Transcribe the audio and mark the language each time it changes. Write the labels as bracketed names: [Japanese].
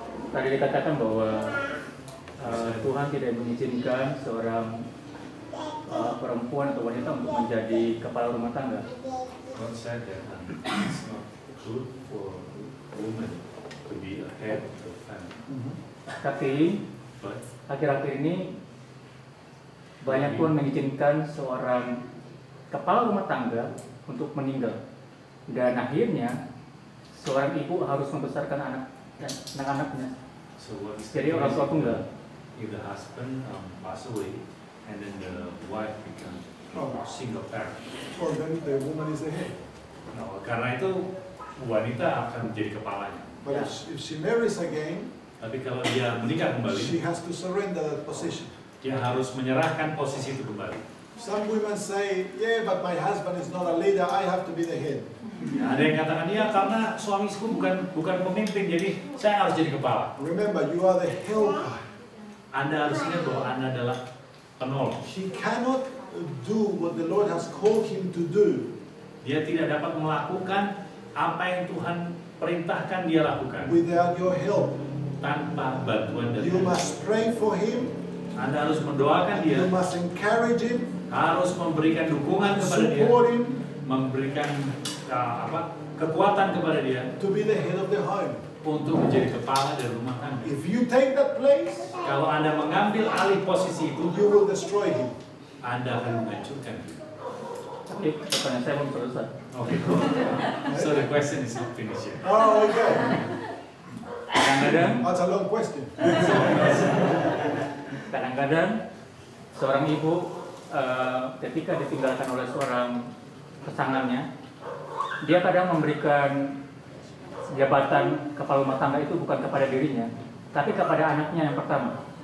[Indonesian] Tadi dikatakan bahwa Tuhan tidak mengizinkan seorang perempuan atau wanita untuk menjadi kepala rumah tangga. [English] God said that it's not good for women to be a head of family. [Indonesian] Tapi akhir-akhir ini banyak Tuhan mengizinkan seorang kepala rumah tangga untuk meninggal. Dan akhirnya seorang ibu harus membesarkan anak-anaknya. [English] So what is [Indonesian] jadi orang tua tunggal. [English] If the husband pass away, and then the wife become single parent. So then the woman is the head. [Indonesian] No, karena itu wanita akan menjadi kepalanya. [English] But yeah, if she marries again, [Indonesian] tapi kalau dia menikah kembali, [English] she has to surrender that position. [Indonesian] Dia harus menyerahkan posisi itu kembali. [English] Some women say, yeah, but my husband is not a leader. I have to be the head. [Indonesian] Ya, ada yang katakan ya, karena suamiku bukan pemimpin, jadi saya harus jadi kepala. [English] Remember, you are the helper. [Indonesian] Anda harus ingat bahwa Anda adalah penolong. [English] She cannot do what the Lord has called him to do. [Indonesian] Dia tidak dapat melakukan apa yang Tuhan perintahkan dia lakukan. [English] Without your help. [Indonesian] Tanpa bantuan dari [English] you must pray for him. [Indonesian] Anda harus mendoakan dia. [English] You must encourage him. [Indonesian] Harus memberikan dukungan kepada dia. [English] Support him. [Indonesian] Memberikan kekuatan kepada dia. [English] To be the head of the home. [Indonesian] Untuk menjadi kepala dari rumah tangga. [English] If you take that place, [Indonesian] kalau Anda mengambil alih posisi itu, [English] you will destroy him. [Indonesian] Anda akan menghancurkan dia. Oke, pertanyaan saya belum selesai. [English] Oke, so the question is not finished yet. Oh, okay. [Indonesian] Kadang-kadang. [English] That's a long question. [Indonesian] Kadang-kadang seorang ibu ketika ditinggalkan oleh seorang pasangannya, dia kadang memberikan jabatan kepala rumah tangga itu bukan kepada dirinya, tapi kepada anaknya yang pertama.